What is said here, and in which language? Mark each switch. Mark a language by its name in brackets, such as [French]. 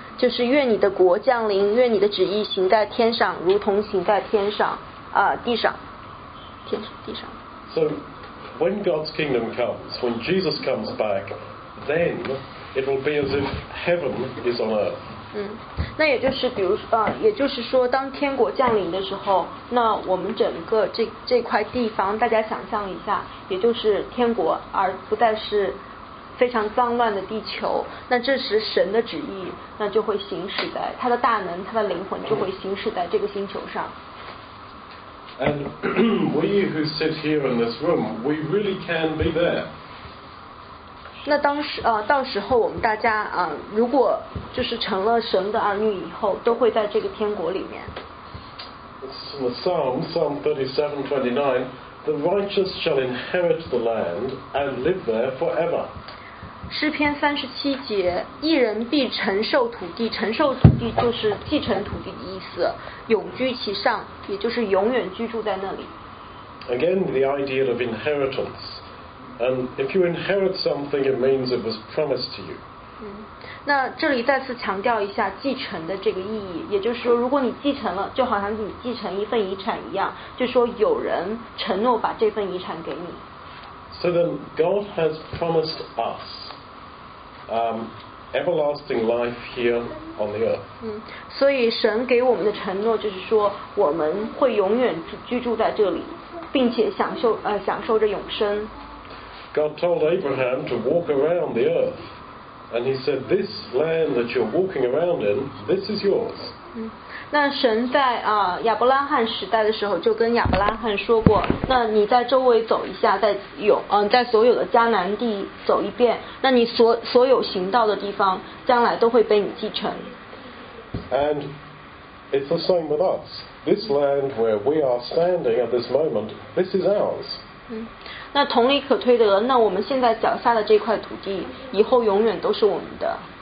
[Chinese] 就是愿你的国降临，愿你的旨意行在天上，如同行在天上啊、地上，天上地上。 [English] So when God's kingdom comes, when Jesus comes back, then it will be as if heaven is on earth. [Chinese] 嗯，那也就是比如啊、也就是说，当天国降临的时候，那我们整个这块地方，大家想象一下，也就是天国，而不再是非常脏乱的地球。那这时神的旨意，那就会行驶在他的大能，他的灵魂就会行驶在这个星球上。 [English] And we who sit here in this room, we really can be there. [Chinese] 那当时啊、到时候我们大家啊、如果就是成了神的儿女以后，都会在这个天国里面。 [English] It's in the Psalm 37:29, the righteous shall inherit the land and live there forever. [Chinese] 诗篇三十七节，义人必承受土地，承受土地就是继承土地的意思，永居其上，也就是永远居住在那里。 [English] Again, the idea of inheritance. And if you inherit something, it means it was promised to you. [Chinese] 那这里再次强调一下继承的这个意义，也就是说，如果你继承了，就好像你继承一份遗产一样，就说有人承诺把这份遗产给你。 [English] So then, God has promised us everlasting life here on the earth. [Chinese] 所以神给我们的承诺就是说，我们会永远居住在这里，并且享受着永生。 [English] God told Abraham to walk around the earth, and he said, "This land that you're walking around in, this is yours." [Chinese] 那神在啊、亚伯拉罕时代的时候就跟亚伯拉罕说过，那你在周围走一下，在所有的迦南地走一遍，那你所有行道的地方，将来都会被你继承。 [English] And it's the same with us. This land where we are standing at this moment, this is ours. [Chinese] 那同理可推得，那我们现在脚下的这块土地，以后永远都是我们的。